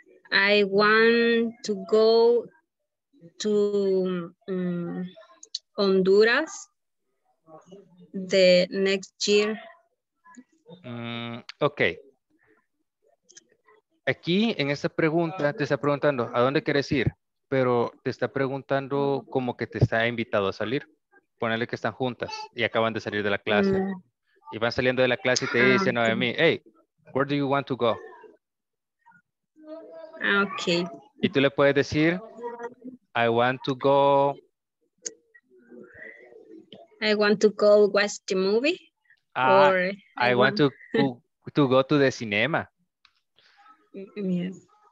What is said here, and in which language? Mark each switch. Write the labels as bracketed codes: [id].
[en] I want to go to Honduras the next year. Okay. [es] Aquí en esta pregunta te está preguntando a dónde quieres ir, pero te está preguntando como que te está invitado a salir. Ponerle que están juntas y acaban de salir de la clase. Y van saliendo de la clase y te dicen, okay. [en] Noemi, hey, where do you want to go? Ok. [es] Y tú le puedes decir, [en] I want to go. I want to go watch the movie. I want to go to the cinema. Yes.